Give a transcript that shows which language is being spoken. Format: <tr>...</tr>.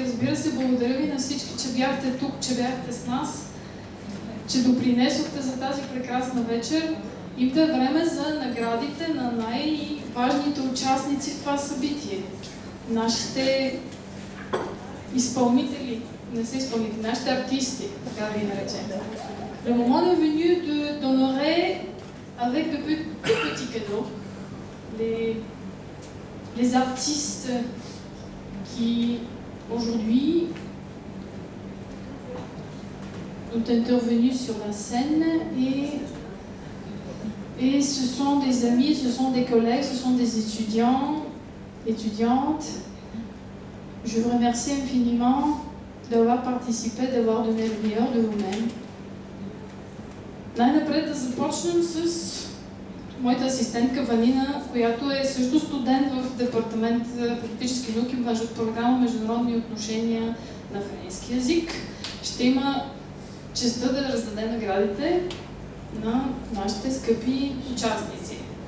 <bg>Разбира се, благодаря ви на всички, че бяхте тук, че бяхте с нас, че допринесохте за тази прекрасна вечер. Идва време за наградите на най-важните участници в това събитие. Нашите изпълнители, не са изпълнители, нашите артисти, така да ги наречем.</bg> <fr>Le moment est venu de t'honorer avec de petits cadeaux les artistes qui aujourd'hui ont intervenu sur la scène et ce sont des amis, ce sont des collègues, ce sont des étudiants, étudiantes. Je vous remercie infiniment d'avoir participé, d'avoir donné le meilleur de vous-même.</fr> <bg>Най-напред да започнем с моята асистентка Ванина, която е също студент в департамент политически науки в нашата програма Международни отношения на френски език. Ще има честта да раздаде наградите на нашите скъпи участници.</bg>